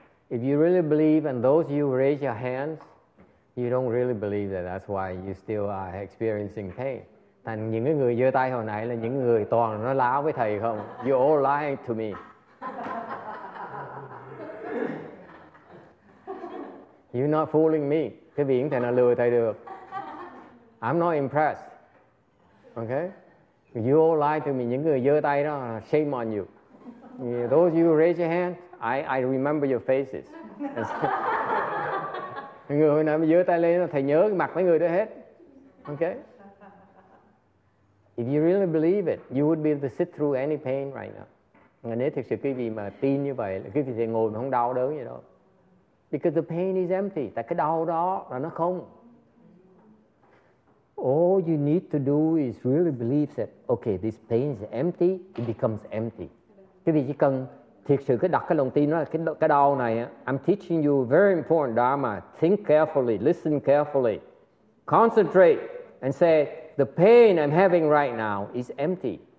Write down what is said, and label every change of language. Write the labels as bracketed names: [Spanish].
[English] If you really believe, and those of you who raise your hands, you don't really believe that. That's why you still are experiencing pain. [Vietnamese] Thành những cái người giơ tay hồi nãy là những người toàn nói láo với thầy không? [English] You all lying to me. You're not fooling me. [Vietnamese] Cái vị không thể nào lừa thầy được. [English] I'm not impressed. Okay? You all lie to me. [Vietnamese] Những người giơ tay đó, [English] shame on you. Yeah, those of you who raise your hand, I remember your faces. [Vietnamese] Người hồi nãy mà giơ tay lên, thầy nhớ cái mặt mấy người đó hết. [English] Okay? If you really believe it, you would be able to sit through any pain right now. [Vietnamese] Và nếu thực sự quý vị mà tin như vậy, là quý vị sẽ ngồi mà không đau đớn gì đâu. [English] Because the pain is empty. [Vietnamese] Tại cái đau đó là nó không. [English] All you need to do is really believe that, okay, this pain is empty, it becomes empty. [Vietnamese] Quý vị chỉ cần thiệt sự cái đặt cái lòng tin đó là cái đau này. [English] I'm teaching you a very important dharma. Think carefully, listen carefully. Concentrate and say, the pain I'm having right now is empty.